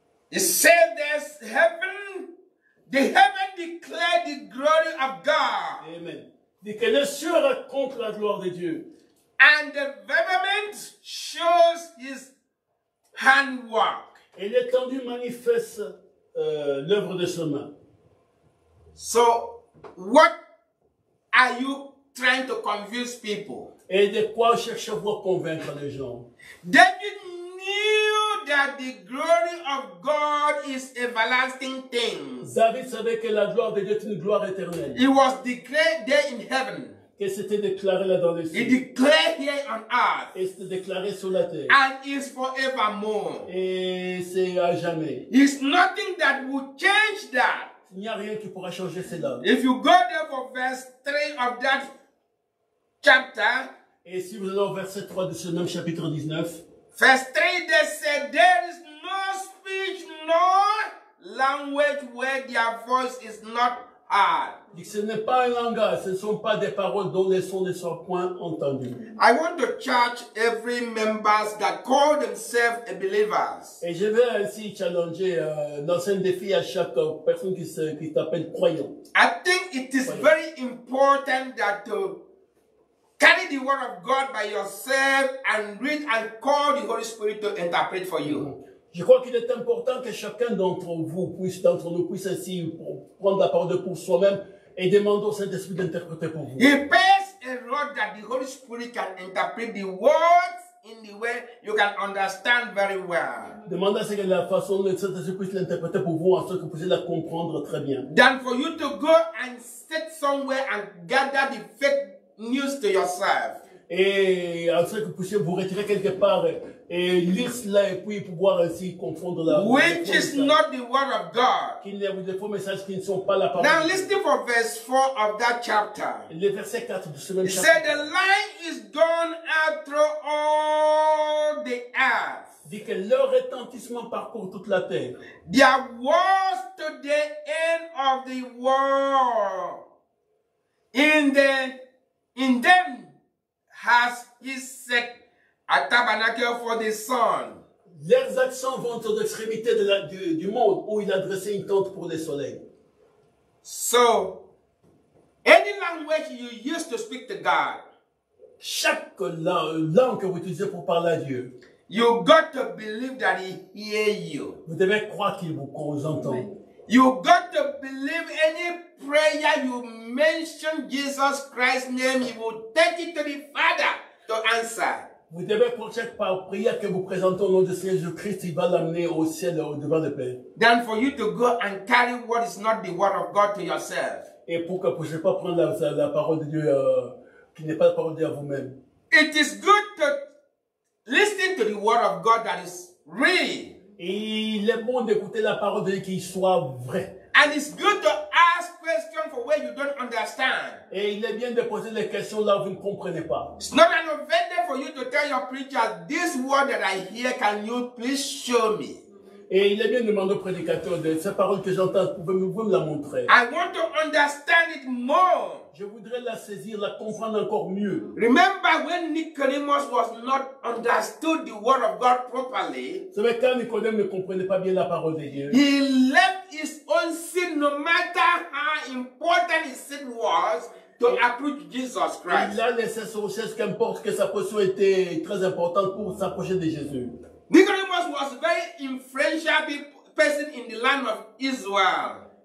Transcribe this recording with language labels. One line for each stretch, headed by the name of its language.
English: It says there's heaven, the heaven declare the glory of God.
French: Amen. Dit que les cieux racontent la gloire de Dieu.
English: And the firmament shows his handwork.
French: Et l'étendue manifeste l'œuvre de ses mains.
English: So, what are you trying to convince people?
French: Et de quoi cherchez-vous à convaincre les gens?
English: David knew that the glory of God is everlasting thing.
French: David savait que la gloire de Dieu est une gloire éternelle.
English: It was declared there in heaven.
French: Et c'était déclaré là dans les cieux.
English: It declared here on earth.
French: Et c'était déclaré sur la terre.
English: And is forevermore.
French: Et c'est à jamais.
English: It's nothing that would change that.
French: Il n'y a rien qui pourra changer cela.
English: If you go there for verse 3 of that chapter.
French: Et si vous allez au verset 3 de ce même chapitre 19.
English: Verse 3, they said, there is no speech nor language where their voice is not heard.
French: Ce n'est pas un langage, ce ne sont pas des paroles dont les sons ne sont point entendus.
English: I want to charge every members that call themselves believers.
French: Et je vais ainsi challenger, lancer un défi à chaque personne qui t'appelle croyant.
English: I think it is very important that carry the word of God by yourself and read and call the Holy Spirit to interpret for you.
French: Je crois qu'il est important que chacun d'entre nous puisse ainsi prendre la parole pour soi-même et demander au Saint-Esprit d'interpréter pour vous.
English: He pays a lot that the Holy Spirit can interpret the words in the way you can understand very well.
French: Demandez à ce que la façon dont le Saint-Esprit puisse l'interpréter pour vous, afin que vous puissiez la comprendre très bien.
English: Than for you to go and sit somewhere and gather the fake news to yourself.
French: Et en sorte que vous puissiez vous retirer quelque part et lire cela et puis pouvoir ainsi confondre la parole.
English: Which is not the word of God.
French: Qu'il y a des faux messages qui ne sont pas la parole.
English: Now listen for verse 4 of that chapter.
French: Le verset 4 de ce même chapitre.
English: It said the light is gone out through all the earth.
French: Dit que leur retentissement parcourt toute la terre.
English: There was to the end of the world. In them has he set a tabernacle for the sun.
French: Leurs actions vont aux extrémités du monde où il a dressé une tente pour le soleil.
English: So, any language you use to speak to God,
French: chaque langue que vous utilisez pour parler à Dieu,
English: you got to believe that he hears you.
French: Vous devez croire qu'il vous entend.
English: You got to believe any prayer you mention Jesus Christ's name, he will take it to the Father to answer.
French: Vous devez prêcher par prière que vous présentez au nom de Jésus Christ, il va l'amener au ciel devant le Père.
English: Then for you to go and carry what is not the word of God to yourself.
French: Et pour que vous ne puissiez pas prendre la parole de Dieu qui n'est pas la parole de Dieu à vous-même.
English: It is good to listen to the word of God that is real.
French: Et il est bon d'écouter la parole de Dieu qui soit vraie.
English: And it's good to ask questions for where you don't understand.
French: Et il est bien de poser des questions là où vous ne comprenez pas.
English: It's not an offense for you to tell your preacher this word that I hear. Can you please show me?
French: Et il est bien de demander au prédicateur de cette parole que j'entends, pouvez-vous me la montrer?
English: I want to understand it more.
French: Je voudrais la saisir, la comprendre encore mieux.
English: Remember when Nicodemus was not understood the word of God properly?
French: C'est vrai, quand Nicodème ne comprenait pas bien la parole de Dieu.
English: He left his own sin, no matter how important his sin was, to approach Jesus Christ.
French: Il a laissé son chef, qu'importe que sa position était très importante pour s'approcher de Jésus.
English: Nicodemus was a very influential person in the land of Israel.